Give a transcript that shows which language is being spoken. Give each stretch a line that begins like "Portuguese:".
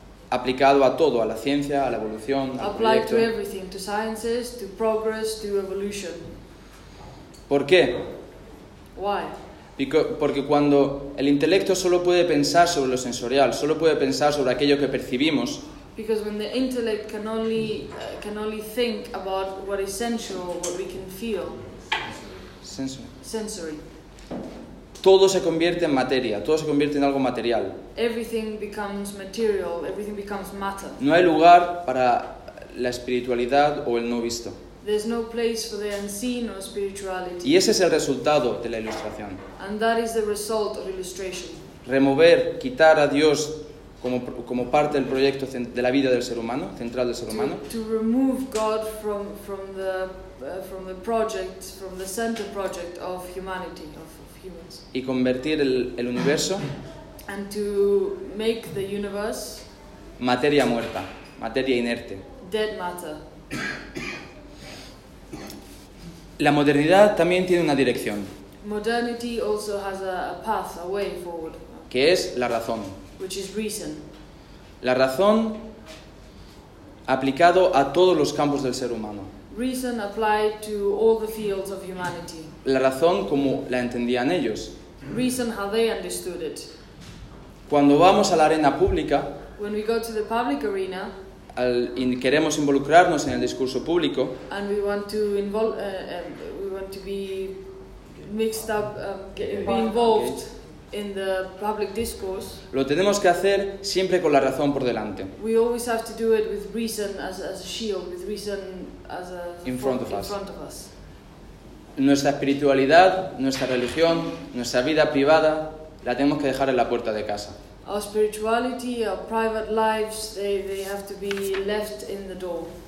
Spanish: Aplicado a todo, a la ciencia, a la evolución, al
English: proyecto. Applied to everything, to sciences, to progress, to evolution.
Spanish: ¿Por qué?
English: Why?
Spanish: Porque cuando el intelecto solo puede pensar sobre lo sensorial, solo puede pensar sobre aquello que percibimos,
English: because when the intellect can only think about what is sensual, what we can feel, sensory,
Spanish: todo se convierte en materia, todo se convierte en algo material.
English: Everything becomes material, everything becomes matter.
Spanish: No hay lugar para la espiritualidad o el no visto.
English: There's no place for the unseen or spirituality.
Spanish: Y ese es el resultado de la ilustración.
English: And that is the result of illustration.
Spanish: Remover, quitar a Dios como parte del proyecto de la vida del ser humano, central del ser humano.
English: To remove God from the project, from the center project of humanity, of humans.
Spanish: Y convertir el universo.
English: And to make the universe.
Spanish: Materia muerta, materia inerte.
English: Dead matter.
Spanish: La modernidad también tiene una dirección.
English: Modernity also has a path, a way forward.
Spanish: Que es la razón.
English: Which is reason.
Spanish: La razón aplicado a todos los campos del ser humano.
English: Reason applied to all the fields of humanity.
Spanish: La razón como la entendían ellos.
English: Reason how they understood it.
Spanish: Cuando vamos a la arena pública,
English: when we go to the public arena,
Spanish: queremos involucrarnos en el discurso público,
English: and we want to involve, we want to be mixed up, be involved in the public discourse.
Spanish: Lo tenemos que hacer siempre con la razón por delante.
English: We always have to do it with reason as a shield, with reason as a in front of us.
Spanish: Nuestra espiritualidad, nuestra religión, nuestra vida privada, la tenemos que dejar en la puerta de casa.
English: Our spirituality, our private lives, they have to be left in the door.